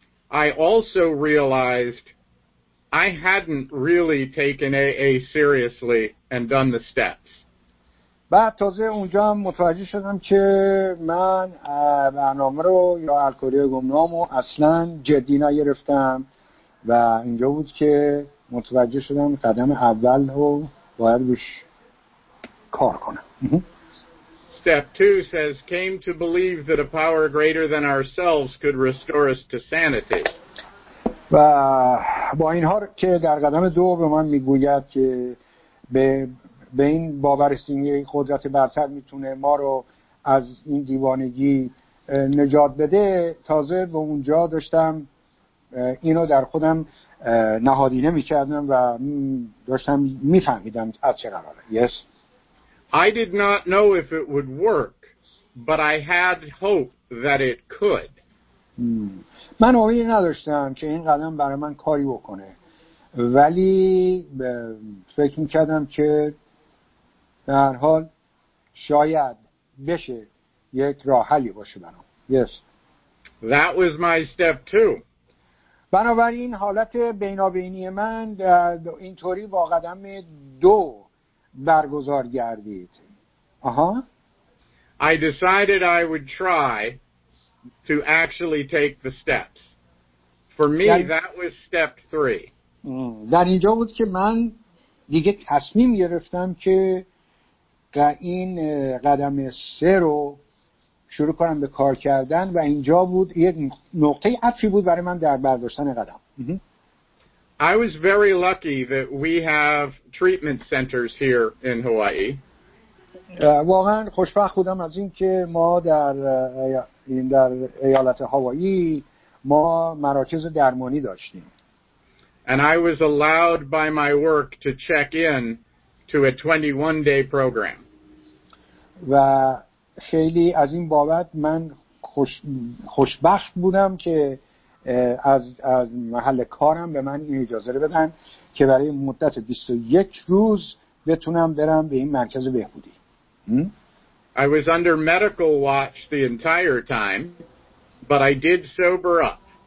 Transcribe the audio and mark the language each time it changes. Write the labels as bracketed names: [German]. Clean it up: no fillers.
[English] I also realized I hadn't really taken AA seriously and done the steps. [Persian] بعد تازه اونجا متوجه شدم که من برنامه رو یا الکلی گمنام رو اصلا جدی نگرفتم و اینجا بود که متوجه شدم قدم اول رو باید روش کار کنم. [English] Step 2 says came to believe that a power greater than ourselves could restore us to sanity. [Persian] و با این حال که در قدم دو به من میگوید که به این باورستین یک قدرت برتر میتونه ما رو از این دیوانگی نجات بده، تازه به اونجا داشتم اینو در خودم نهادینه میکردم و داشتم میفهمیدم از چه قراره. [English] Yes. I did not know if it would work, but I had hope that it could. [Persian] من امید نداشتم که این قدم برای من کاری بکنه، ولی فکر میکردم که به هر حال شاید بشه یک راه حلی باشه برام. [English] Yes. That was my step two. [Persian] بنابراین حالت بینابینی من اینطوری با قدم دو برگزار گردید. آها. [English] I decided I would try to actually take the steps. For me, that was step three. [Persian] در اینجا بود که من دیگه تصمیم گرفتم که این قدم سه رو شروع کنم به کار کردن و اینجا بود یک نقطه عطفی بود برای من در برداشتن قدم. [English] I was very lucky that we have treatment centers here in Hawaii. [Persian] واقعا خوشبخت بودم از این که ما در ایالت هاوایی ما مراکز درمانی داشتیم. [English] And I was allowed by my work to check in to a 21-day program. [Persian] و خیلی از این بابت من خوشبخت بودم که از محل کارم به من این اجازه رو بدن که برای مدت 21 روز بتونم برم به این مرکز بهبودی. [English] I was under medical watch the entire time, but I did sober up.